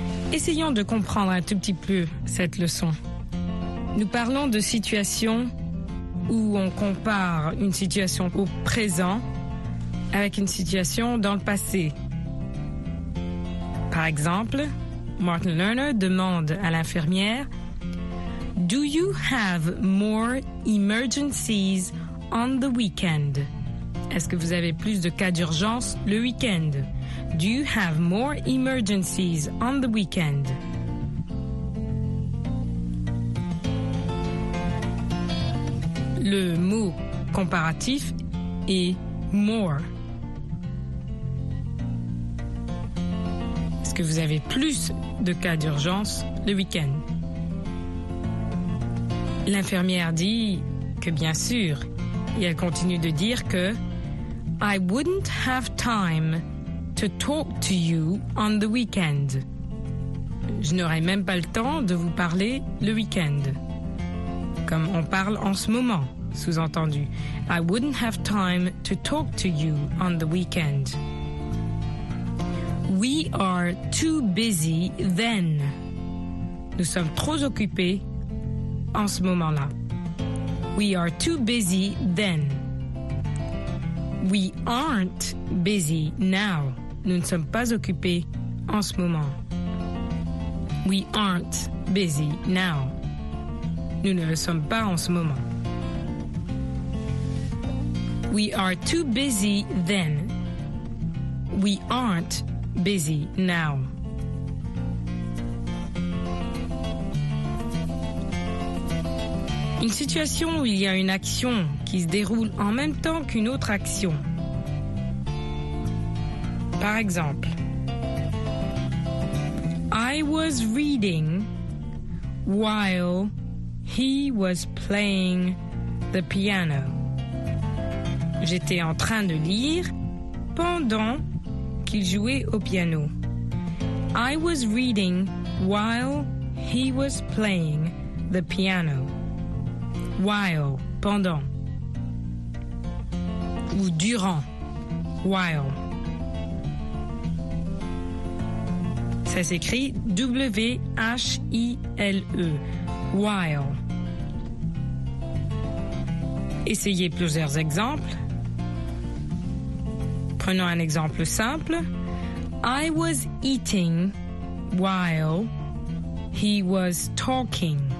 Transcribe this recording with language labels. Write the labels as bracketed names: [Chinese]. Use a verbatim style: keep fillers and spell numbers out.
[French] Essayons de comprendre un tout petit peu cette leçon. Nous parlons de situations où on compare une situation au présent avec une situation dans le passé. Par exemple, Martin Lerner demande à l'infirmière « [English] Do you have more emergencies on the weekend? [French] » Est-ce que vous avez plus de cas d'urgence le week-end? [English] Do you have more emergencies on the weekend? [French] Le mot comparatif est more. Est-ce que vous avez plus de cas d'urgence le week-end? L'infirmière dit que bien sûr, et elle continue de dire que [English] I wouldn't have time to talk to you on the weekend. [French] Je n'aurai même pas le temps de vous parler le week-end. Comme on parle en ce moment, sous-entendu. [English] I wouldn't have time to talk to you on the weekend. We are too busy then. [French] Nous sommes trop occupés en ce moment-là. [English] We are too busy then. We aren't busy now. [French] Nous ne sommes pas occupés en ce moment. [English] We aren't busy now. [French] Nous ne le sommes pas en ce moment. [English] We are too busy then. We aren't busy now. [French] Une situation où il y a une action qui se déroule en même temps qu'une autre action. Par exemple, [English] I was reading while he was playing the piano. [French] J'étais en train de lire pendant qu'il jouait au piano. [English] I was reading while he was playing the piano. [French] While, pendant, ou durant, while. Ça s'écrit W H I L E, while. Essayez plusieurs exemples. Prenons un exemple simple. [English] I was eating while he was talking.